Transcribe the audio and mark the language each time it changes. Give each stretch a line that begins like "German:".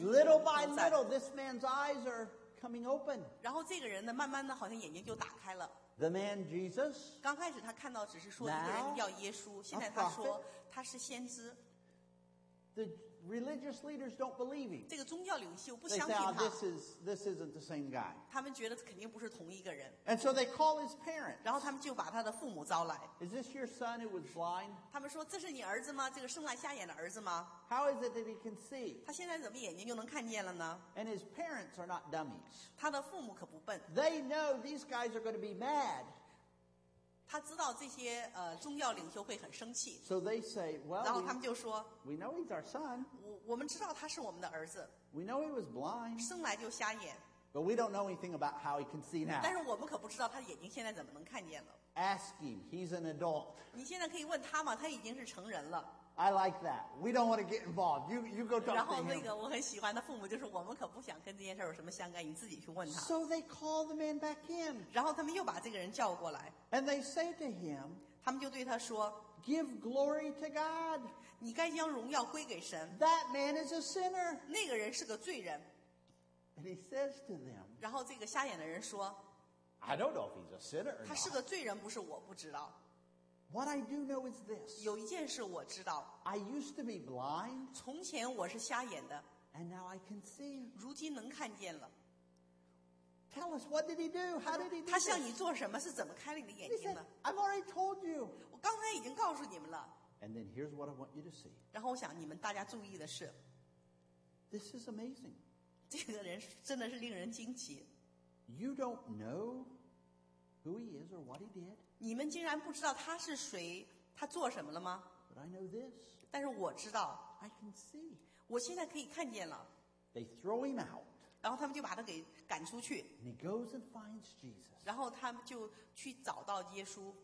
English: Little by little, this man's eyes are coming open.
Chinese: 然后这个人呢，慢慢的，好像眼睛就打开了。
English: The man Jesus.
Chinese: 刚开始他看到只是说一个人叫耶稣，现在他说他是先知。
English: The religious leaders don't believe him.
Chinese: 这个宗教领袖不相信他。
English: They say, this isn't the same guy.
Chinese: 他们觉得肯定不是同一个人。
English: And so they call his parents.
Chinese: 然后他们就把他的父母招来。
English: Is this your son who was blind?
Chinese: 他们说这是你儿子吗？这个生来瞎眼的儿子吗？
English: How is it that he can see?
Chinese: 他现在怎么眼睛就能看见了呢？
English: And his parents are not dummies.
Chinese: 他的父母可不笨。
English: They know these guys are going to be mad.
Chinese: 他知道这些宗教领袖会很生气。
English: So they say, well,
Chinese: 然后他们就说
English: we know he's our son.
Chinese: 我们知道他是我们的儿子。
English: We know he was blind.
Chinese: 生来就瞎眼。
English: But we don't know anything about how he can see now.
Chinese: 但是我们可不知道他眼睛现在怎么能看见了。
English: Ask him, he's an adult.
Chinese: 你现在可以问他吗？他已经是成人了。
English: I like that. We don't want to get involved. You go talk to him.
Chinese: 然后那个我很喜欢的父母就是我们可不想跟这件事有什么相干，你自己去问他。
English: So they call the man back in.
Chinese: 然后他们又把这个人叫过来。
English: And they say to him,
Chinese: 他们就对他说
English: ，Give glory to God.
Chinese: 你该将荣耀归给神。
English: That man is a sinner.
Chinese: 那个人是个罪人。
English: And he says to them,
Chinese: 然后这个瞎眼的人说
English: ，I don't know if he's a sinner.
Chinese: 他是个罪人，不是我不知道。
English: What I do know is this.
Chinese: 有一件事我知道。
English: I used to be blind.
Chinese: 从前我是瞎眼的。
English: And now I can see.
Chinese: 如今能看见了。
English: Tell us, what did he do? How did he do?
Chinese: 他向你做什么？是怎么开了你的眼睛
English: 呢？I've already told you.
Chinese: 我刚才已经告诉你们了。
English: And then here's what I want you to see.
Chinese: 然后我想你们大家注意的是。
English: This is amazing.
Chinese: 这个人真的是令人惊奇。
English: You don't know who he is or what he did.
Chinese: 你们竟然不知道他是谁，他做什么了吗？
English: But I know this.
Chinese: 但是我知道。
English: I can see.
Chinese: 我现在可以看见了。
English: They throw him out.
Chinese: 然后他们就把他给赶出去。
English: And he goes and finds Jesus.
Chinese: 然后他们就去找到耶稣。